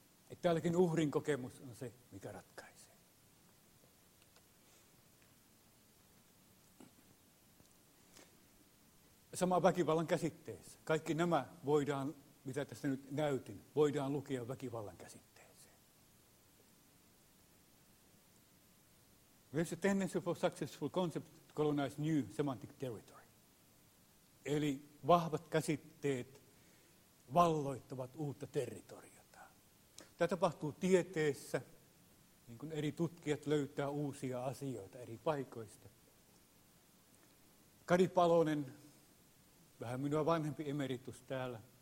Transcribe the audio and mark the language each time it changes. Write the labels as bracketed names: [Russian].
[Finnish] Että täälläkin uhrin kokemus on se, mikä ratkaisee. Sama väkivallan käsitteessä. Kaikki nämä voidaan, mitä tässä nyt näytin, voidaan lukea väkivallan käsitteeseen. [English] There's a tendency for successful concept to colonize new semantic territory. [Finnish] Eli vahvat käsitteet valloittavat uutta territoriota. Tämä tapahtuu tieteessä, niin kuin eri tutkijat löytää uusia asioita eri paikoista. Kari Palonen, vähän minua vanhempi emeritus täällä.